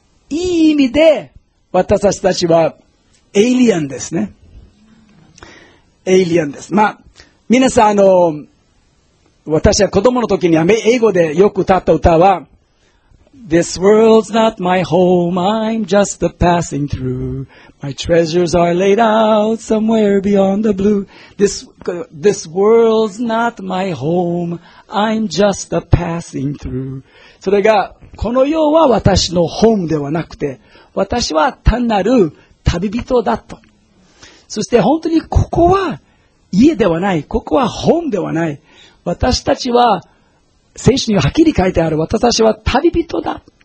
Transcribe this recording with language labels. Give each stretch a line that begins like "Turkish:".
Japanese: いい意味で私たちはエイリアンですね。エイリアンです。まあ皆さん私は子供の時に英語でよく歌った歌は
English: This world's not my home, I'm just a passing through. My treasures are laid out somewhere beyond the blue. This world's not my home, I'm just a passing through.
Japanese: それがこの世は私のホームではなくて私は単なる旅人だと。そして本当にここは家ではない、ここはホームではない。私たちは、聖書にはっきり書いてある、私たちは旅人だ。